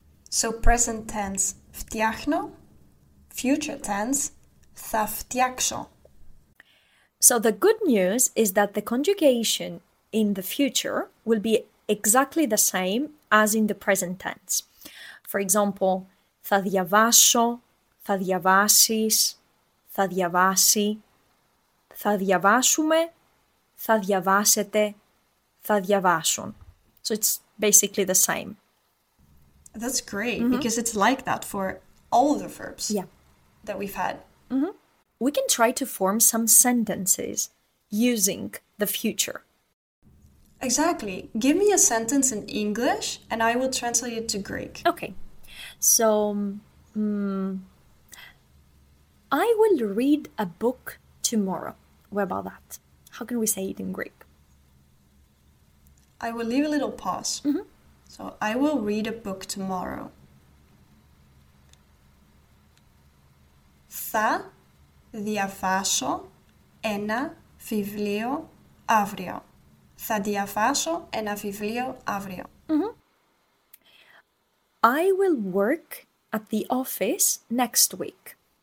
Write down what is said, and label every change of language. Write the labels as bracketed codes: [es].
[en] So present tense, [el] φτιάχνω. [en] Future tense, [el] θα φτιάξω. [en] So the good news is that the conjugation in the future will be exactly the same as in the present tense. For example, [el] θα διαβάσω, θα διαβάσεις, θα διαβάσει, θα διαβάσουμε, θα διαβάσετε, θα διαβάσουν. [en] So it's basically the same. That's great, mm-hmm. because it's like that for all the verbs yeah. that we've had. Mm-hmm. We can try to form some sentences using the future. Exactly. Give me a sentence in English and I will translate it to Greek. Okay, so I will read a book tomorrow. What about that? How can we say it in Greek? I will leave a little pause. So I will read a book tomorrow. [el] Θα διαβάσω ένα βιβλίο αύριο. Θα διαβάσω ένα βιβλίο αύριο. [en] I will work at the office next week.